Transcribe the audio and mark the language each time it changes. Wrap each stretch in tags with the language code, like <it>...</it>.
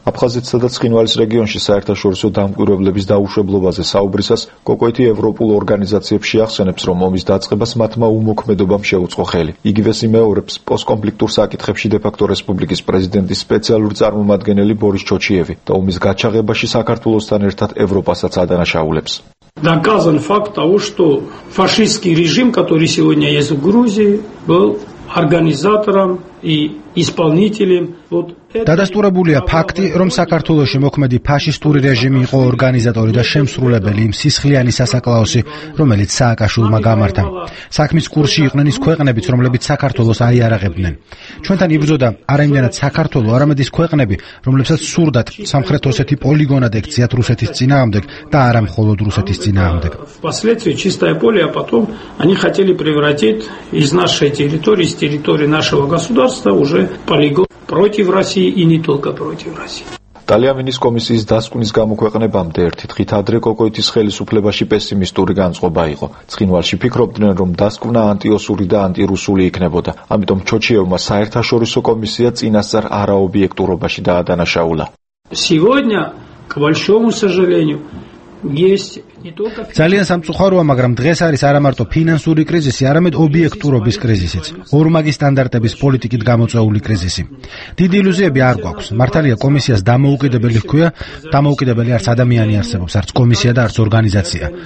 <ka>აფხაზეთსა და ცხინვალის რეგიონში საერთაშორისო დამკვირვებლების დაუშვებლობაზე საუბრისას კოკოიტი ევროპულ ორგანიზაციებს შეახსენებს, რომ ომის დაწყებას მათმა უმოქმედობამ შეუწყო ხელი. იგივე სიმეორებს პოსტკონფლიქტურ საკითხებში დე-ფაქტო რესპუბლიკის პრეზიდენტის სპეციალური წარმომადგენელი ბორის ჩოჩიევი და ომის გაჩაღებაში საქართველოსთან ერთად ევროპასაც ადანაშაულებს.</ka> <ru>Доказан факт того, что фашистский режим, который сегодня есть в Грузии, был организатором и исполнителем вот</ru> <ka>დადასტურებულია ფაქტი, რომ საქართველოში მოქმედი ფაშისტური რეჟიმი იყო ორგანიზატორი და შემსრულებელი იმ სისხლიანი სასაკლაოსი, რომელიც სააკაშვილმა გამართა. საქმის კურსში იყვნენ ის ქვეყნებიც, რომლებიც საქართველოს აიარაღებდნენ. ჩვენთან იბრძოდა არამედ საქართველო, არამედ ის ქვეყნები, რომლებსაც სურდათ სამხრეთ ოსეთი პოლიგონად ექციათ რუსეთის წინააღმდეგ და არა მხოლოდ რუსეთის წინააღმდეგ.</ka> <ru>Впоследствии чистая поля, а потом они хотели превратить из нашей территории, из территории нашего государства уже полигон против России и не только против России.</ru> <ka>ტალიავინის კომისიის დასკვნის გამოქვეყნებამდე ერთი დღით ადრე კოკოიტის ხელისუფლებაში პესიმისტური განწყობა იყო. ცხინვალში ფიქრობდნენ, რომ დასკვნა ანტიოსური და ანტირუსული იქნებოდა. ამიტომ ჩოჩიევმა საერთაშორისო კომისია წინასწარ არაობიექტურობაში დაადანაშაულა.</ka> <ru>Сегодня, к большому сожалению, есть</ru> <ka>ძალიან სამწუხაროა, მაგრამ დღეს არის არა მარტო ფინანსური კრიზისი, არამედ ობიექტურობის კრიზისიც, ორმაგი სტანდარტების პოლიტიკით გამოწვეული კრიზისი. დიდი ილუზიები არ გვაქვს. მართალია, კომისიას დამოუკიდებელი ჰქვია, დამოუკიდებელი არც ადამიანი არსებობს, არც კომისია და არც ორგანიზაცია.</ka>